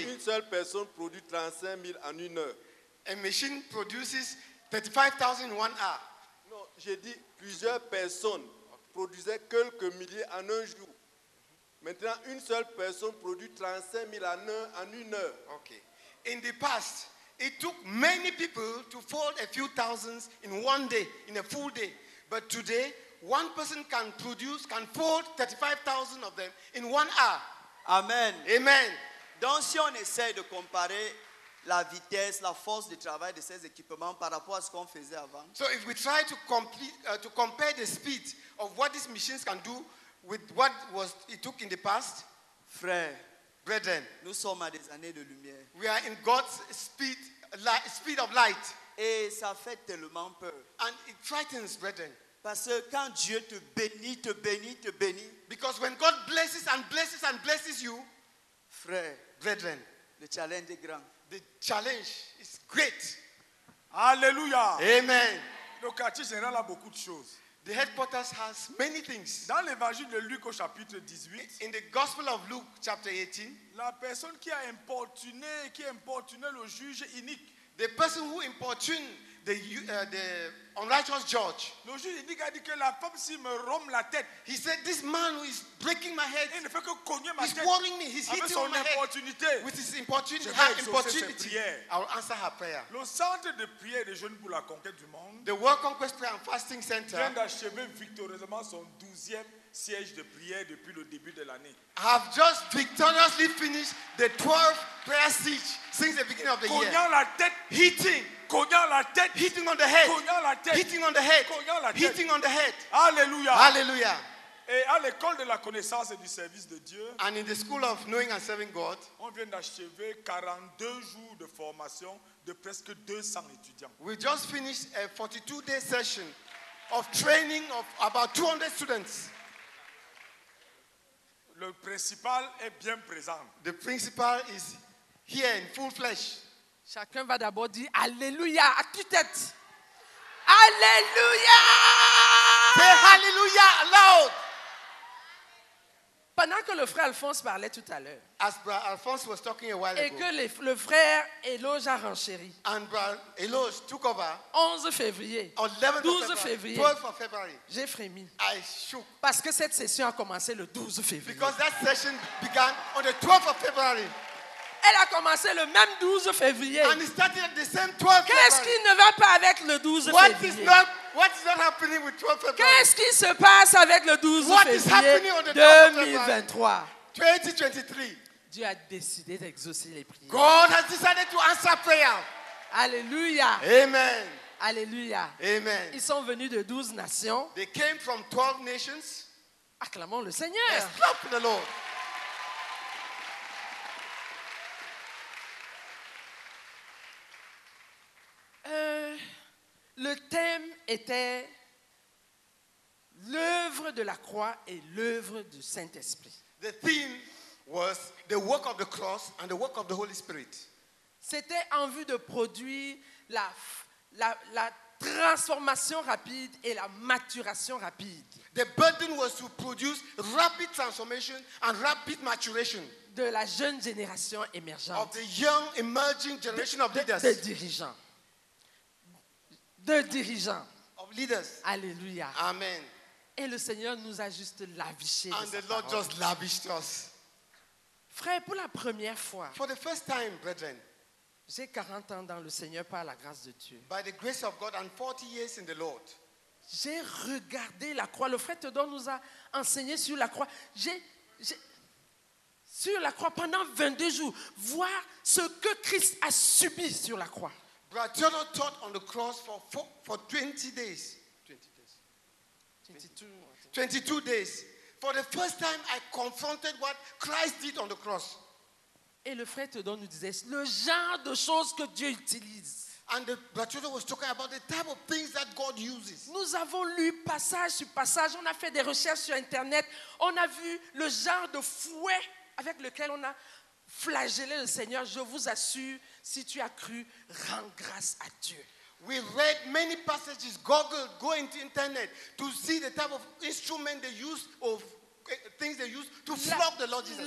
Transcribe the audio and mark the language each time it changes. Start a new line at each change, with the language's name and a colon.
French: Maintenant, une seule personne produit 35 000 en une heure.
English: A machine produces 35,000 in 1 hour.
French: Non, j'ai dit plusieurs personnes produisaient quelques milliers en un jour. Maintenant, une seule personne produit 35 000 en une heure.
English: Okay. In the past, it took many people to fold a few thousands in one day, in a full day. But today, one person can produce, can fold 35,000 of them in 1 hour. Amen. Amen.
French: Donc, si on essaie de comparer la vitesse, la force de travail de ces équipements par rapport à ce qu'on faisait avant.
English: So if we try to compare the speed of what these machines can do with what was it took in the past,
French: frère,
English: brethren,
French: nous sommes à des années de lumière.
English: We are in God's speed, speed of light.
French: Et ça fait tellement peur.
English: And it frightens, brethren.
French: Parce que quand Dieu te bénit, te bénit, te bénit.
English: Because when God blesses and blesses and blesses you,
French: frère,
English: brethren,
French: le challenge est grand.
English: The challenge is great. Alléluia. Amen.
French: Le quartier général a beaucoup de choses.
English: The headquarters has many things.
French: Dans l'évangile de Luc au chapitre 18,
English: in the Gospel of Luke chapter 18,
French: la personne qui a importuné, le juge unique,
English: the person who importuned the unrighteous judge.
French: Le juge unique a dit que la femme s'il me rompe la tête,
English: he said this man who is breaking my head,
French: il ne fait que cogner ma
English: he's
French: tête.
English: He's warning me. He's hitting
French: son
English: my
French: importunité.
English: Head with his importunity. I will answer her prayer.
French: Le centre de prière des jeunes pour la conquête du monde,
English: the World Conquest Prayer and Fasting Center,
French: vient d'achever victorieusement son 12e siège de prière depuis le début de l'année.
English: I have just victoriously finished the 12th prayer siege since the beginning of the
French: cognant
English: year.
French: La tête,
English: hitting.
French: Cognant la tête,
English: hitting on the head.
French: Cognant la tête,
English: hitting on the head.
French: Cognant la tête,
English: hitting on the head. Alléluia. Alléluia.
French: Et à l'école de la connaissance et du service de Dieu,
English: and in the school of knowing and serving God,
French: on vient d'achever 42 jours de formation de presque 200 étudiants.
English: We just finished a 42-day session of training of about 200 students.
French: Le principal est bien présent.
English: The principal is here in full flesh.
French: Chacun va d'abord dire Alléluia à tue-tête. Alléluia!
English: Say Alléluia aloud.
French: Pendant que le frère Alphonse parlait tout à l'heure,
English: as brother Alphonse was talking a while
French: et
English: ago,
French: que le frère Eloge a renchéri,
English: and brother Eloge took over
French: 11 février, 12 février,
English: 12 of February,
French: j'ai frémi.
English: I shook.
French: Parce que cette session a commencé le 12 février.
English: Because that session began on the 12th of February.
French: Elle a commencé le même 12 février.
English: And it started at the same 12th.
French: Qu'est-ce qui ne va pas avec le 12
English: what
French: février?
English: What is not happening with 12 February?
French: Qu'est-ce qui se passe avec le 12
English: what
French: février
English: is happening on the 2023? 2023.
French: Dieu a décidé d'exaucer les prières.
English: God has decided to answer prayer. Alléluia. Amen. Alléluia. Amen.
French: Ils sont venus de 12 nations.
English: They came from 12 nations.
French: Acclamons le Seigneur.
English: Yes, clap the Lord.
French: Le thème était l'œuvre de la croix et l'œuvre du Saint-Esprit.
English: The theme was the work of the cross and the work of the Holy Spirit.
French: C'était en vue de produire la transformation rapide et la maturation rapide.
English: The burden was to produce rapid transformation and rapid maturation.
French: De la jeune génération émergente.
English: Of the young emerging generation of leaders.
French: De dirigeants. De dirigeants.
English: Of leaders. Alléluia. Amen.
French: Et le Seigneur nous a juste lavichés.
English: And the Lord just lavished us.
French: Frère, pour la première fois.
English: For the first time, brethren.
French: J'ai 40 ans dans le Seigneur par la grâce de Dieu.
English: By the grace of God and 40 years in the Lord.
French: J'ai regardé la croix. Le frère Teodon nous a enseigné sur la croix. J'ai sur la croix pendant 22 jours. Voir ce que Christ a subi sur la croix.
English: Brother Teodon taught on the cross for 20 days. 22 days. For the first time, I confronted what Christ did on the cross.
French: Et le frère Teodon nous disait le genre de choses que Dieu utilise.
English: And the brother was talking about the type of things that God uses.
French: Nous avons lu passage sur passage, on a fait des recherches sur internet, on a vu le genre de fouet avec lequel on a flagellé le Seigneur. Je vous assure, si tu as cru, rends grâce à Dieu.
English: We read many passages, googled, go into internet to see the type of instrument they use of things they use to flog the Lord Jesus.